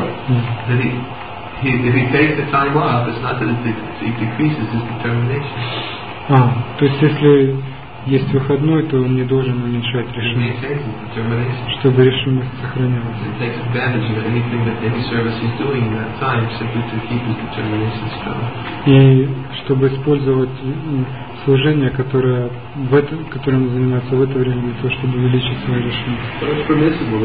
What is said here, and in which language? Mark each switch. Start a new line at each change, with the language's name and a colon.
English: That if he takes the time off, it's not that it decreases his determination.
Russian: То есть если есть выходной, то он не должен уменьшать решимость, чтобы решимость сохранялась.
English: It takes advantage of anything that any service is doing in that time, simply to keep his determination strong.
Russian: И чтобы использовать служение, которым он занимается в это время, для того, чтобы увеличить свою решимость.